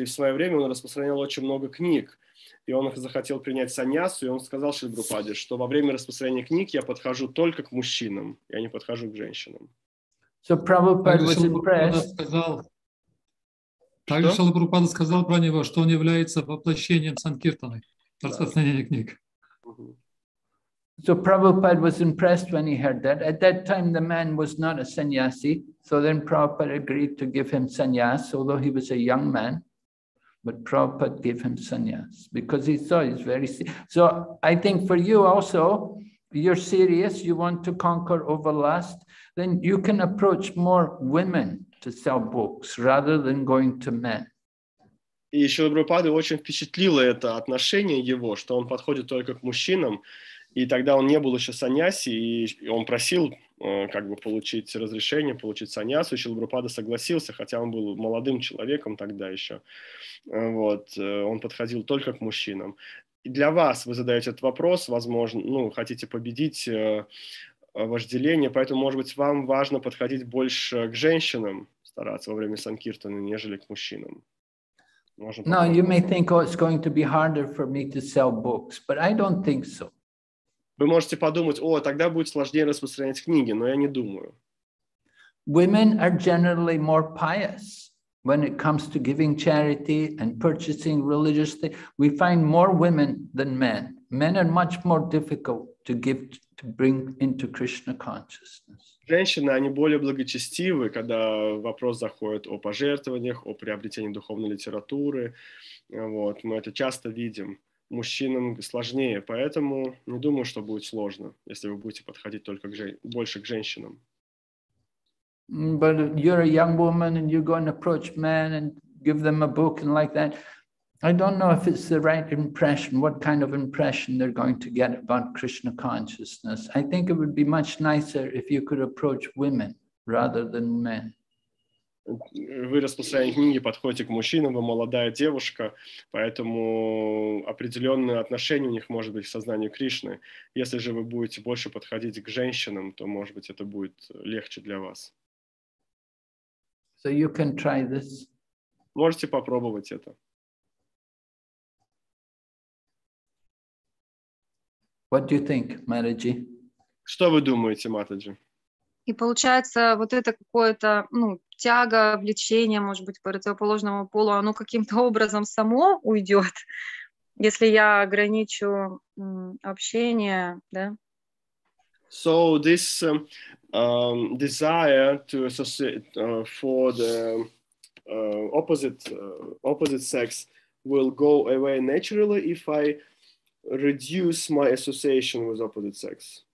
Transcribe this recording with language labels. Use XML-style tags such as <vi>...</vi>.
<ru>И в свое время он распространял очень много книг, и он захотел принять саньясу, и он сказал Шриле Прабхупаде, что во время распространения книг я подхожу только к мужчинам, я не подхожу к женщинам.</ru> <en>So, Prabhupada was impressed.</en> <ru>Также Шрила Прабхупада сказал про него, что он является воплощением санкиртаны, распространения книг.</ru> <en>So Prabhupada was impressed when he heard that. At that time the man was not a sannyasi, so then Prabhupada agreed to give him sannyas, although he was a young man, but Prabhupada gave him sannyas because he saw he's very serious. So I think for you also, you're serious, you want to conquer over lust, then you can approach more women to sell books rather than going to men.</en> <ru>И Шрила Прабхупада очень впечатлило это отношение его, что он подходит только к мужчинам, и тогда он не был еще саньяси, и он просил как бы получить разрешение, получить саньясу, и Шрила Прабхупада согласился, хотя он был молодым человеком тогда еще. Вот, он подходил только к мужчинам. И для вас вы задаете этот вопрос, возможно, ну, хотите победить вожделение, поэтому, может быть, вам важно подходить больше к женщинам, стараться во время санкиртаны, нежели к мужчинам.</ru> <en>Now, you may think, oh, it's going to be harder for me to sell books, but I don't think so.</en> <ru>Вы можете подумать, о, тогда будет сложнее распространять книги, но я не думаю.</ru> <en>Women are generally more pious when it comes to giving charity and purchasing religious things. We find more women than men. Men are much more difficult to give, to bring into Krishna consciousness.</en> <ru>Женщины, они более благочестивы, когда вопрос заходит о пожертвованиях, о приобретении духовной литературы. Вот, мы это часто видим. Мужчинам сложнее, поэтому не думаю, что будет сложно, если вы будете подходить только к больше к женщинам.</ru> <en>But you're a young woman and you're going to approach men and give them a book and like that. I don't know if it's the right impression, what kind of impression they're going to get about Krishna consciousness. I think it would be much nicer if you could approach women rather than men.</en> <ru>Вы распространяете книги, подходите к мужчинам, вы молодая девушка, поэтому определенные отношения у них может быть в сознании Кришны. Если же вы будете больше подходить к женщинам, то, может быть, это будет легче для вас.</ru> <en>So you can try this.</en> <ru>Можете попробовать это.</ru> <en>What do you think, Mataji?</en> <ru>Что вы думаете, Матаджи? И получается, вот это какое-то, ну, тяга, влечение, может быть, по противоположному полу, оно каким-то образом само уйдет, если я ограничу общение, да?</ru> <en>So this desire to associate for the opposite sex will go away naturally if I reduce my association with opposite sex.</en>